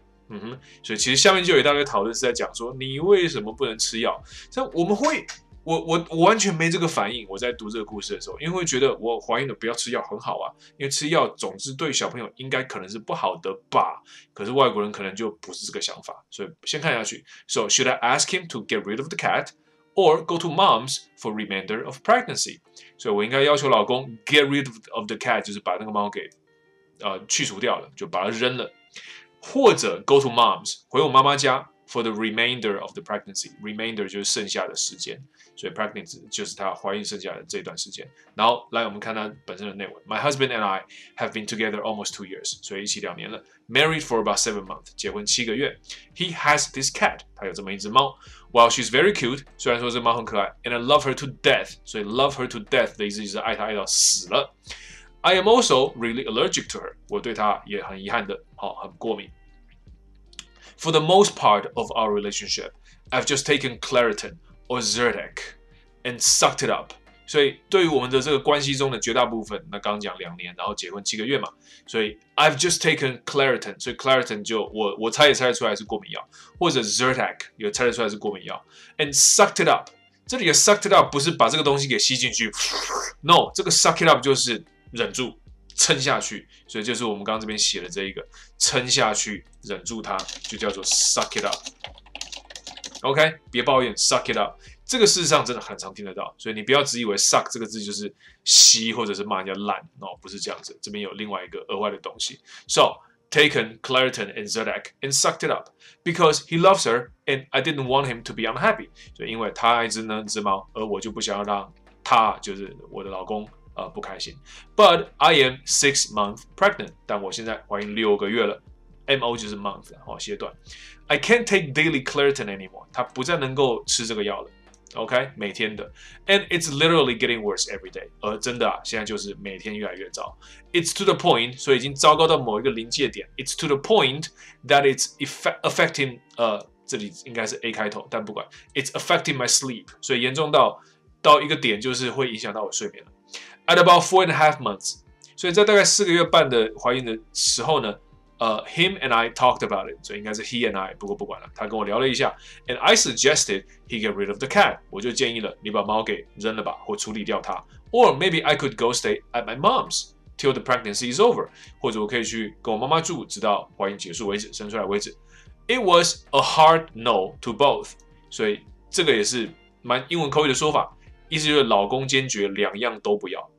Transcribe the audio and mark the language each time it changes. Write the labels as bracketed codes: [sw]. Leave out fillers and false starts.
[zh] 嗯哼，所以其实下面就有一大堆讨论是在讲说，你为什么不能吃药？像我们会，我完全没这个反应。我在读这个故事的时候，因为会觉得我怀孕了不要吃药很好啊，因为吃药总之对小朋友应该可能是不好的吧。可是外国人可能就不是这个想法，所以先看下去。 [en] So should I ask him to get rid of the cat or go to mom's for remainder of pregnancy？ [zh] 所以我应该要求老公 [en] get rid of the cat， [zh] 就是把那个猫给去除掉了，就把它扔了。或者 [en] go to mom's [zh] 回我妈妈家 [en] for the remainder of the pregnancy， [zh] remainder 就是剩下的时间，所以 pregnancy 就是她怀孕剩下的这段时间。 [en] 然后来我们看她本身的内文， my husband and I have been together almost 2 years， [zh] 所以一起两年了， [en] married for about 7 months， [zh] 结婚七个月， [en] he has this cat， [zh] 她有这么一只猫， [en] while she's very cute， [zh] 虽然说这猫很可爱， [en] and I love her to death， [zh] 所以 love her to death 的意思就是爱她爱到死了。 [en] I am also really allergic to her. [zh] 我对她也很遗憾的，好，很过敏。 [en] For the most part of our relationship, I've just taken Claritin or Zyrtec and sucked it up. [zh] 所以对于我们的这个关系中的绝大部分，那刚讲两年，然后结婚七个月嘛，所以 [en] I've just taken Claritin. [zh] 所以 Claritin 就我猜也猜得出来是过敏药，或者 Zyrtec 也猜得出来是过敏药 ， [en] and sucked it up. [zh] 这里的 sucked it up 不是把这个东西给吸进去 ，no， 这个 [en] suck it up [zh] 就是忍住，撑下去，所以就是我们刚刚这边写的这一个，撑下去，忍住它，就叫做 suck it up。 [en] OK， [zh] 别抱怨 [en] ，suck it up。 [zh] 这个事实上真的很常听得到，所以你不要只以为 suck 这个字就是吸或者是骂人家烂，哦，不是这样子。这边有另外一个额外的东西。 [en] So taken Claritin and Zyrtec and sucked it up because he loves her and I didn't want him to be unhappy。 [zh] 就因为他爱着那只猫，而我就不想要让他，就是我的老公。不开心 [en] ，But I am 6 months pregnant， [zh] 但我现在怀孕六个月了 [en] ，MO 就是 month， 好，哦，歇段 ，I can't take daily Claritin anymore， [zh] 他不再能够吃这个药了 [en] ，OK， 每天的 ，And it's literally getting worse every day， [zh] 真的啊，现在就是每天越来越糟 [en] ，It's to the point， [zh] 所以已经糟糕到某一个临界点 [en] ，It's to the point that it's affecting， [zh] 这里应该是 A 开头，但不管 [en] ，It's affecting my sleep， [zh] 所以严重到一个点就是会影响到我睡眠了。 [en] At about 4.5 months， [zh] 所以在大概四个月半的怀孕的时候呢， [en] Him and I talked about it. [zh] 所以应该是 [en] he and I, [zh] 不过不管了。他跟我聊了一下。 [en] And I suggested he get rid of the cat. [zh] 我就建议了你把猫给扔了吧或处理掉它。 [en] Or maybe I could go stay at my mom's till the pregnancy is over. [zh] 或者我可以去跟我妈妈住直到怀孕结束为止生出来为止。 [en] It was a hard no to both. [zh] 所以这个也是蛮英文口语的说法。意思就是老公坚决两样都不要。